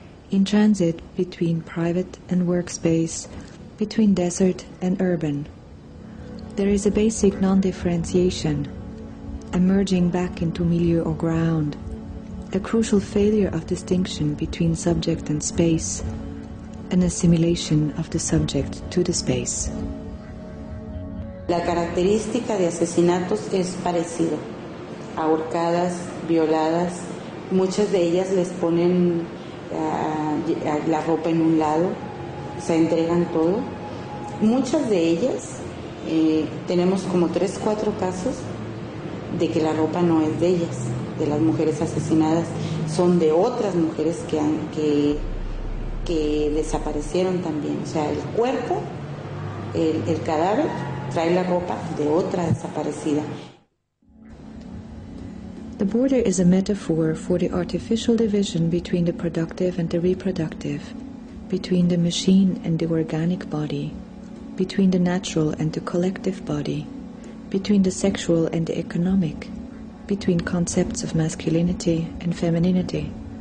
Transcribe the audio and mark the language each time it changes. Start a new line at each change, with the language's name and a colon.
English: In transit between private and workspace, between desert and urban, there is a basic non-differentiation, emerging back into milieu or ground, a crucial failure of distinction between subject and space, an assimilation of the subject to the space.
Spanish: La característica de asesinatos es parecido. Ahorcadas, violadas, muchas de ellas les ponen la ropa en un lado, se entregan todo. Muchas de ellas, tenemos como 3-4 casos de que la ropa no es de ellas, de las mujeres asesinadas, son de otras mujeres que desaparecieron también. O sea, el cuerpo, el cadáver, trae la ropa de otra desaparecida.
English: The border is a metaphor for the artificial division between the productive and the reproductive, between the machine and the organic body, between the natural and the collective body, between the sexual and the economic, between concepts of masculinity and femininity.